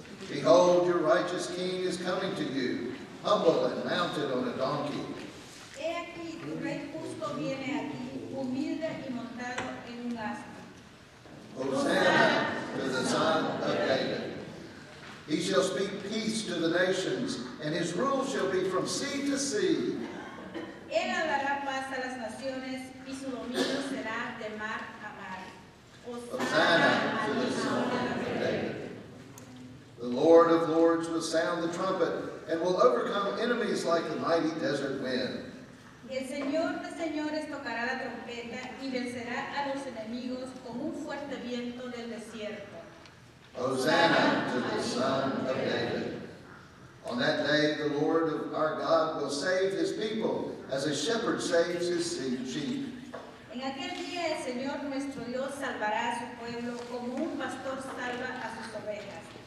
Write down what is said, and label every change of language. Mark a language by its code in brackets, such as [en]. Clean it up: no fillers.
[en] Behold, your righteous king is coming to you, humble and mounted on a donkey. [es] He aquí, tu rey justo viene a ti, humilde y montado en un asno. [en] Hosanna to the Son of David. He shall speak peace to the nations, and his rule shall be from sea to sea. [es] Él hablará paz a las naciones, y su dominio será de mar a mar. [en] Hosanna to the Son of David. The Lord of Lords will sound the trumpet and will overcome enemies like the mighty desert wind. [es] El Señor de Señores tocará la trompeta y vencerá a los enemigos con un fuerte viento del desierto. [en] Hosanna to the Son of David. On that day, the Lord of our God will save his people as a shepherd saves his sheep. [es] En aquel día, el Señor nuestro Dios salvará a su pueblo como un pastor salva a sus ovejas.